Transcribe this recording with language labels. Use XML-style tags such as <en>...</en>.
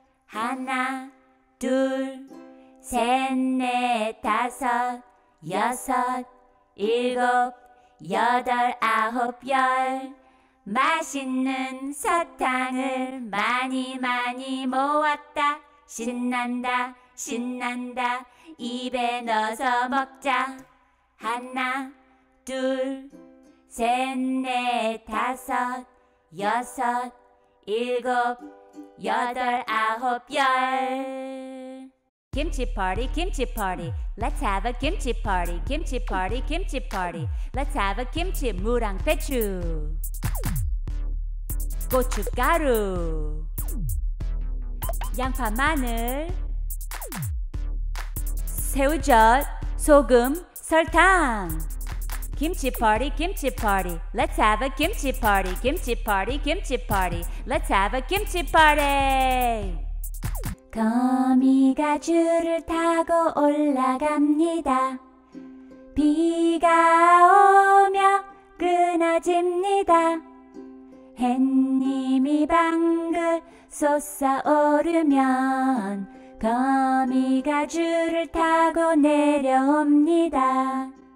<ko>하나, 둘, 셋, 넷, 다섯, 여섯, 일곱, 여덟, 아홉, 열 맛있는 사탕을 많이 많이 모았다 신난다 신난다 입에 넣어서 먹자 하나, 둘, 셋, 넷, 다섯, 여섯, 일곱, 여덟, 아홉, 열</ko> <en>Kimchi party, kimchi party. Let's have a kimchi party, kimchi party, kimchi party. Let's have a kimchi</en> <ko>무랑 배추, 고춧가루, 양파 마늘, 새우젓, 소금, 설탕.</ko> <en>Kimchi party, kimchi party. Let's have a kimchi party, kimchi party, kimchi party. Let's have a kimchi party.</en> <ko>거미가 줄을 타고 올라갑니다 비가 오며 끊어집니다 햇님이 방글 솟아오르면 거미가 줄을 타고 내려옵니다</ko>